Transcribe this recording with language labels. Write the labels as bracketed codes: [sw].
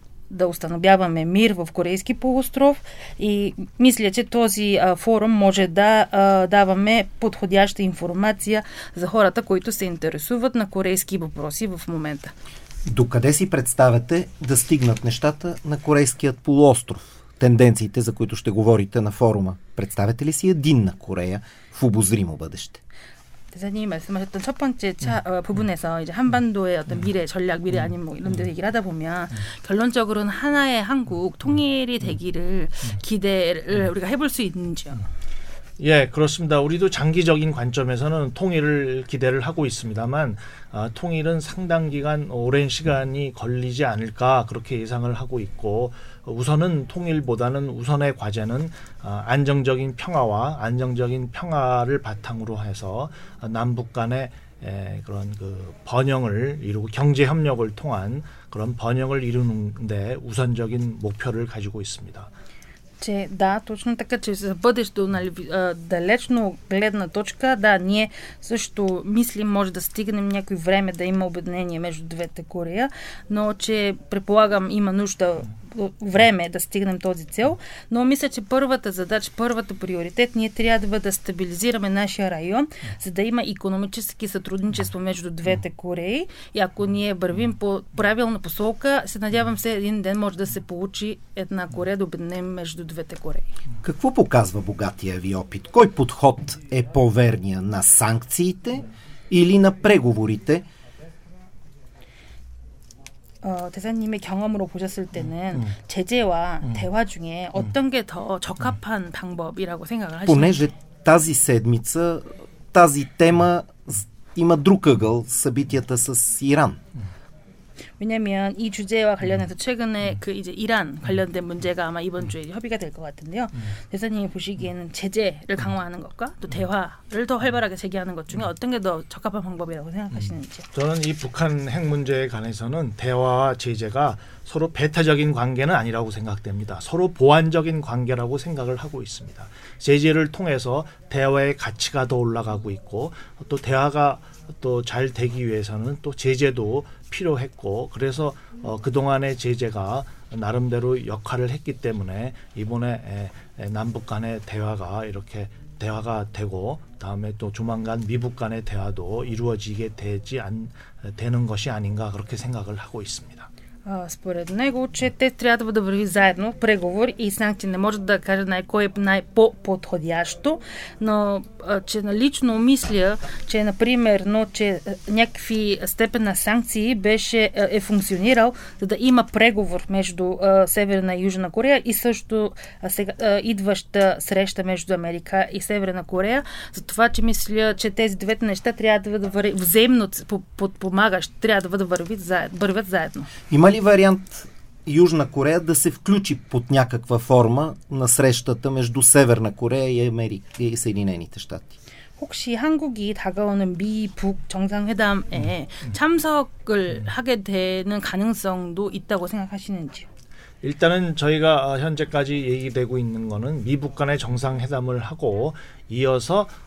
[bg] да установяваме мир в Корейски полуостров и мисля, че този форум може да даваме подходяща информация за хората, които се интересуват на корейски въпроси в момента. Докъде си представяте да стигнат нещата на Корейският полуостров? Тенденциите, за които ще говорите на форума. Представяте ли си единна Корея в обозримо бъдеще? [ko] 대사님 말씀하셨던 첫 번째 부분에서 이제 한반도의 어떤 미래 전략 미래 아니면 뭐 이런 데 얘기를 하다 보면 결론적으로는 하나의 한국 통일이 되기를 기대를 우리가 해볼 수 있는지요. 예, 그렇습니다. 우리도 장기적인 관점에서는 통일을 기대를 하고 있습니다만 통일은 상당 기간 오랜 시간이 걸리지 않을까 그렇게 예상을 하고 있고 우선은 통일보다는 우선의 과제는 안정적인 평화와 안정적인 평화를 바탕으로 해서 남북 간의 그런 그 번영을 이루고 경제 협력을 통한 그런 번영을 이루는 데 우선적인 목표를 가지고 있습니다. [bg] Че, да, точно така, че за бъдещето, нали, далечно гледна точка, да, ние също мислим, може да стигнем някой време да има обединение между двете Корея, но че предполагам има нужда време да стигнем този цел, но мисля, че първата задача, първата приоритет, ние трябва да стабилизираме нашия район, за да има икономически сътрудничество между двете Кореи и ако ние вървим по правилна посолка, се надявам се един ден може да се получи една Корея да обединим между двете Кореи. Какво показва богатия ви опит? Кой подход е по-верния на санкциите или на преговорите? [ko] 대사님의 경험으로 보셨을 때는 제재와 대화 중에 어떤 게 더 적합한 방법이라고 생각을 하시나요? [bg] Понеже тази седмица тази тема има друг ъгъл, събитията с Иран. [ko] 왜냐면 이 주제와 관련해서 최근에 그 이제 이란 관련된 문제가 아마 이번 주에 협의가 될 것 같은데요. 대사님이 보시기에는 제재를 강화하는 것과 또 대화를 더 활발하게 제기하는 것 중에 어떤 게 더 적합한 방법이라고 생각하시는지. 저는 이 북한 핵 문제에 관해서는 대화와 제재가 서로 배타적인 관계는 아니라고 생각됩니다. 서로 보완적인 관계라고 생각을 하고 있습니다. 제재를 통해서 대화의 가치가 더 올라가고 있고 또 대화가 또 잘 되기 위해서는 또 제재도 필요했고 그래서 그동안의 제재가 나름대로 역할을 했기 때문에 이번에 남북 간의 대화가 이렇게 대화가 되고 다음에 또 조만간 미북 간의 대화도 이루어지게 되지 되는 것이 아닌가 그렇게 생각을 하고 있습니다. [bg] Според него, че те трябва да върви заедно преговор и санкции. Не може да кажа кой е най-по-подходящо, но че налично мисля, че например, но че някакви степен на санкции беше е функционирал, за да има преговор между Северна и Южна Корея и също сега, идваща среща между Америка и Северна Корея, за това, че мисля, че тези двете неща трябва да върви взаимно подпомагащ, трябва да вървят заедно. Има ли вариант Южна Корея да се включи под някаква форма на срещата между Северна Корея и Америка и Съединените щати? [ko] 혹시 한국이 다가오는 미북 정상회담에 참석을 하게 되는 가능성도 있다고 생각하시는지? 일단은 저희가 현재까지 얘기되고 있는 거는 미북 간의 정상회담을 하고 이어서